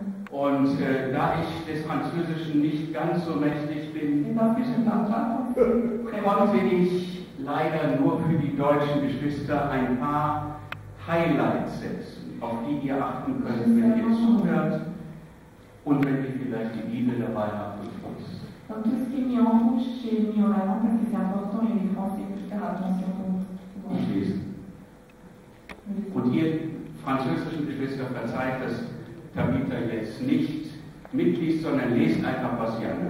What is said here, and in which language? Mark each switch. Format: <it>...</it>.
<de>Und da ich des Französischen nicht ganz so mächtig bin, konnte ich leider nur für die deutschen Geschwister ein paar Highlights setzen, auf die ihr achten könnt, wenn ihr zuhört und wenn ihr vielleicht die Bibel dabei habt.</de> <fr>Donc tout ce qui est mis en rouge, j'ai mis en avant parce que c'est important et les Français peuvent faire attention pour vous. Je lise.</fr> <de>Und ihr französischen Geschwister verzeiht, dass Tabitha jetzt nicht mitliest, sondern lest einfach, was sie</de>